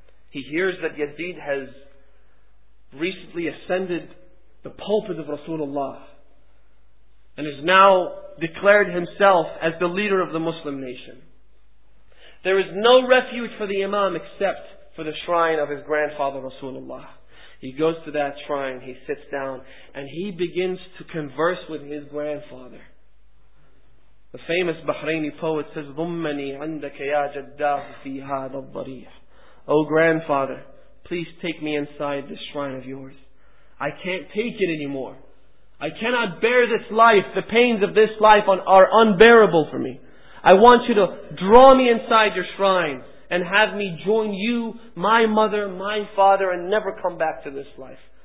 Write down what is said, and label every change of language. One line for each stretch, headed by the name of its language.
English: He hears that Yazid has recently ascended the pulpit of Rasulullah and has now declared himself as the leader of the Muslim nation. There is no refuge for the Imam except for the shrine of his grandfather Rasulullah. He goes to that shrine, he sits down, and he begins to converse with his grandfather. The famous Bahraini poet says,
Arabic: ضُمَّنِي عَنْدَكَ يَا جَدَّاهُ فِي هَذَا الضَّرِيحِ.
English: O grandfather, please take me inside this shrine of yours. I can't take it anymore. I cannot bear this life. The pains of this life are unbearable for me. I want you to draw me inside your shrine and have me join you, my mother, my father, and never come back to this life.